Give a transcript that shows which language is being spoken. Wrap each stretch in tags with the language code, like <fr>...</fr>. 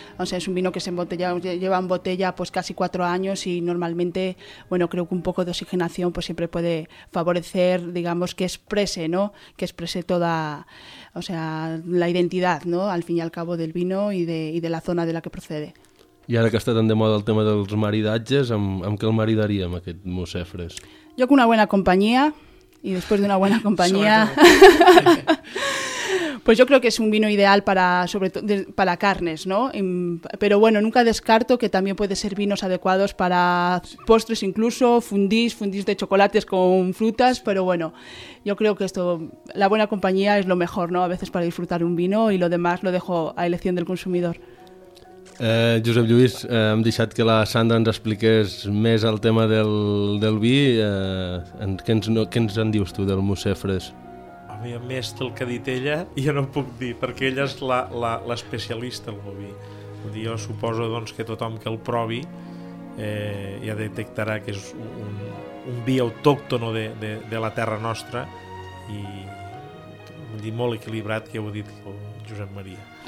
<es>O sea, es un vino que lleva en botella pues casi 4 años y normalmente, bueno, creo que un poco de oxigenación pues siempre puede favorecer, digamos, que exprese, ¿no?, que exprese toda, o sea, la identidad, ¿no?, al fin y al cabo del vino y de la zona de la que procede.</es> <ca>I ara que està tan de moda el tema dels maridatges, amb què el maridaria amb aquest Mosè Fres?</ca> <es>Jo con una buena compañía. Y después de una buena compañía, pues yo creo que es un vino ideal para carnes, ¿no? Pero bueno, nunca descarto que también puede ser vinos adecuados para postres, incluso fundís de chocolates con frutas, pero bueno, yo creo que esto, la buena compañía es lo mejor, ¿no? A veces para disfrutar un vino y lo demás lo dejo a elección del consumidor.</es> <ca>Josep Lluís, hem deixat que la Sandra ens expliqués més el tema del vi. Què ens en dius tu del Mosè Fres? Home, més del que ha dit ella, jo no puc dir, perquè ella és l'especialista en el vi. Vull dir, jo suposo doncs, que tothom que el provi ja detectarà que és un vi autòctono de la terra nostra i vull dir, molt equilibrat, que ja ho ha dit el Josep Maria.</ca>